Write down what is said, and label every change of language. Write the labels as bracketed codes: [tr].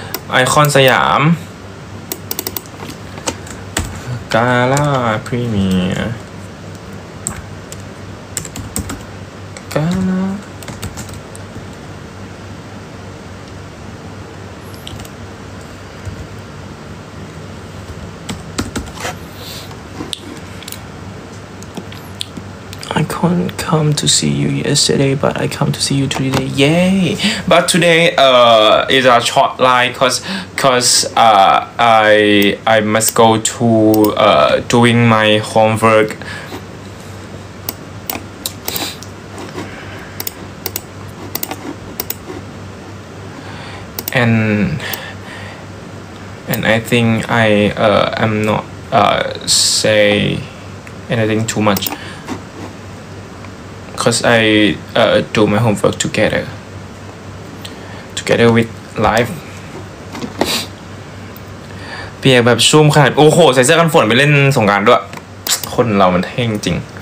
[en] ไอคอนสยามกาล่าพรีเมียร์กาล่าI couldn't come to see you yesterday, but I come to see you today. Yay! But today is a short line because I must go to doing my homework. And I think I am not say anything too much. Because I do my homework together with life. [th] เปียกแบบชุ่มขนาดโอ้โหใส่เสื้อกันฝนไปเล่นสงกรานต์ด้วยคนเรามันเท่งจริ